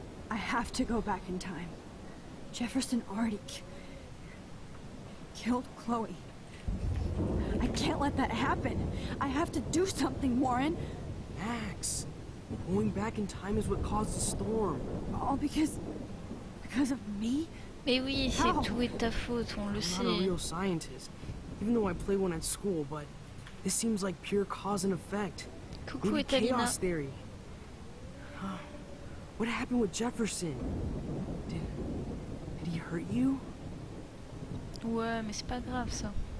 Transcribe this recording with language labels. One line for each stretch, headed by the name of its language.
English: I have to go back in time. Jefferson already killed Chloe. I can't let that happen. I have to do something, Warren. Max, going back in time is what caused the storm. All because of me?
French: Mais oui, c'est tout est ta faute, on le sait.
English: I'm not a real scientist, even though I play one at school, but this seems like pure cause and effect.
French: Coucou, Etalina.
English: Chaos theory. What happened with Jefferson? Did he hurt you?
French: Ouais, mais c'est pas grave, ça.